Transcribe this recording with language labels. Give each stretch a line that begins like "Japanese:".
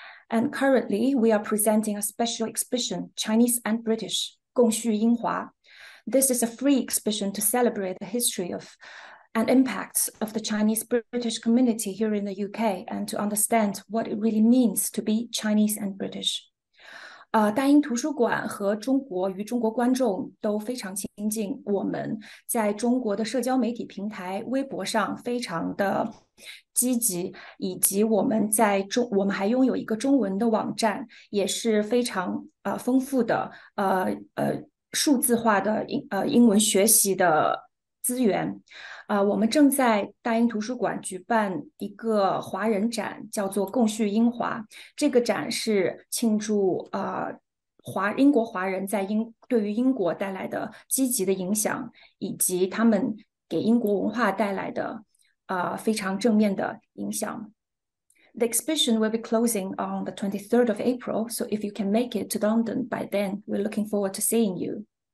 English: And currently, we are presenting a special exhibition, Chinese and British, 共叙英华. This is a free exhibition to celebrate the history of and impacts of the Chinese-British community here in the UK, and to understand what it really means to be Chinese and British.
Chinese: 大英图书馆和中国观众都非常亲近，我们在中国的社交媒体平台微博上非常的积极，以及我们还拥有一个中文的网站，也是非常丰富的数字化的英文学习的资源。我们正在大英图书馆举办一个华人展，叫做共叙英华。这个展是庆祝英国华人在对于英国带来的积极的影响，以及他们给英国文化带来的非常正面的影响。
English: The exhibition will be closing on the 23rd of April, so if you can make it to London by then, we're looking forward to seeing you.